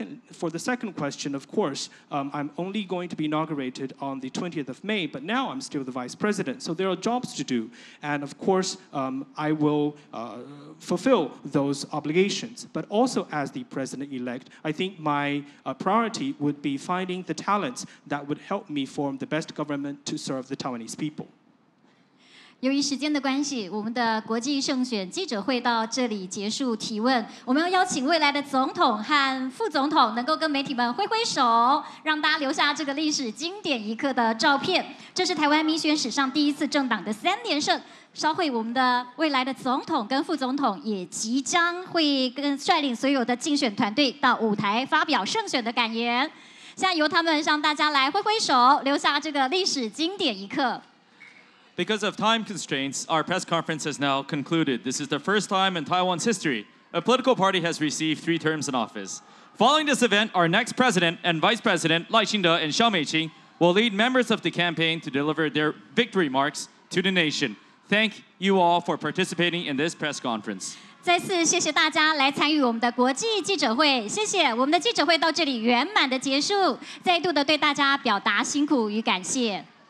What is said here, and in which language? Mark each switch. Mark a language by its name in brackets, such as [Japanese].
[English] For the second question, of course, I'm only going to be inaugurated on the 20th of May, but now I'm still the vice president, so there are jobs to do. And of course, I will fulfill those obligations. But also as the president-elect, I think my priority would be finding the talents that would help me form the best government to serve the Taiwanese people. [Chinese] 由于时间的关系，我们的国际胜选记者会到这里结束提问。我们要邀请未来的总统和副总统能够跟媒体们挥挥手，让大家留下这个历史经典一刻的照片。这是台湾民选史上第一次政党的3连胜。稍会我们的未来的总统跟副总统也即将会跟率领所有的竞选团队到舞台发表胜选的感言。现在由他们向大家来挥挥手，留下这个历史经典一刻。 [English] Because of time constraints, our press conference has now concluded. This is the first time in Taiwan's history a political party has received 3 terms in office. Following this event, our next president and vice president, Lai Ching-de and Xiao Meiqing, will lead members of the campaign to deliver their victory marks to the nation. Thank you all for participating in this press conference. [Chinese] 再次谢谢大家来参与我们的国际记者会，谢谢，我们的记者会到这里圆满的结束，再度的对大家表达辛苦与感谢。